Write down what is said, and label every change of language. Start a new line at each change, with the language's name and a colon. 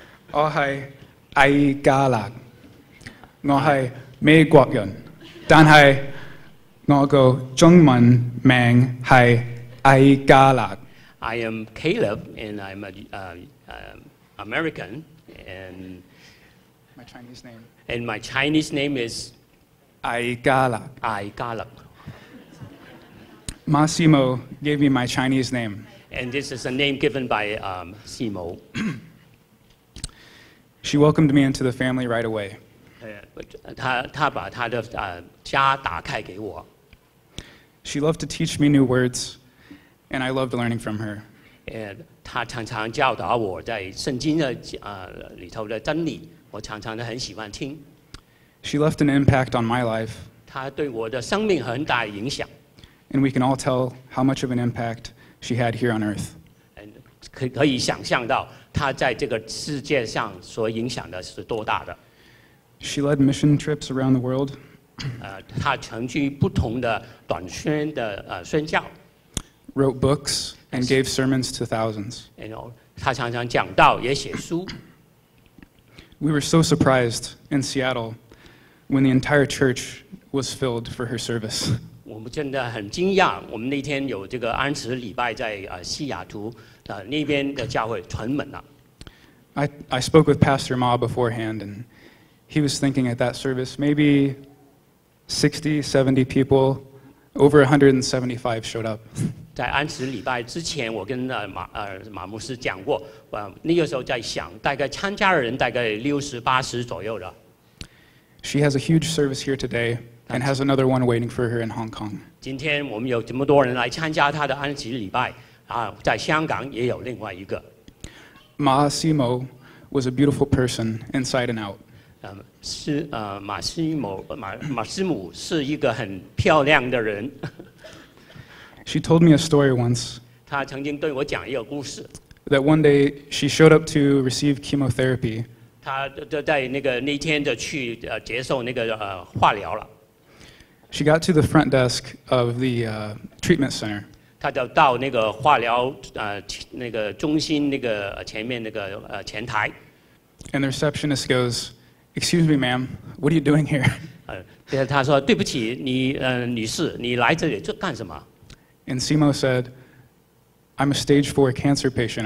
Chinese: 我是魏嘉蘭，我是美國人，但是我的中文名是魏嘉蘭。
English: I am Caleb and I'm a American and my Chinese name. And my Chinese name is Ai Galak. Ai Galak. Massimo gave me my Chinese name. And this is a name given by Simo. She welcomed me into the family right away.
Chinese: 她把她的家打开给我。
English: She loved to teach me new words. And I loved learning from her.
Chinese: And 她常常教导我在圣经的里头的真理，我常常的很喜欢听。
English: She left an impact on my life.
Chinese: 她对我的生命很大影响。
English: And we can all tell how much of an impact she had here on earth.
Chinese: And 可以想象到她在这个世界上所影响的是多大的。
English: She led mission trips around the world.
Chinese: 她曾去不同的短宣的宣教。
English: Wrote books and gave sermons to thousands. And you know,
Chinese: 他常常讲道，也写书。
English: We were so surprised in Seattle when the entire church was filled for her service.
Chinese: 我们真的很惊讶，我们那天有这个安息礼拜在西雅图的那边的教会全满了。
English: I spoke with Pastor Ma beforehand, and he was thinking at that service maybe 60, 70 people, over 175 showed up.
Chinese: 在安息礼拜之前，我跟马牧师讲过，那个时候在想，大概参加的人大概六十八十左右的。
English: She has a huge service here today, and has another one waiting for her in Hong Kong.
Chinese: 今天我们有这么多人来参加她的安息礼拜，在香港也有另外一个。
English: Ma Simo was a beautiful person inside and out.
Chinese: 是马斯姆是一个很漂亮的人。
English: She told me a story once.
Chinese: 她曾经对我讲一个故事。
English: That one day she showed up to receive chemotherapy.
Chinese: 她在那个那天就去接受那个化疗了。
English: She got to the front desk of the treatment center.
Chinese: 她就到那个化疗那个中心那个前面那个前台。
English: And the receptionist goes, "Excuse me, ma'am, what are you doing here?"
Chinese: 她说对不起，你女士，你来这里这干什么？
English: And Simo said, "I'm a stage 4 cancer patient.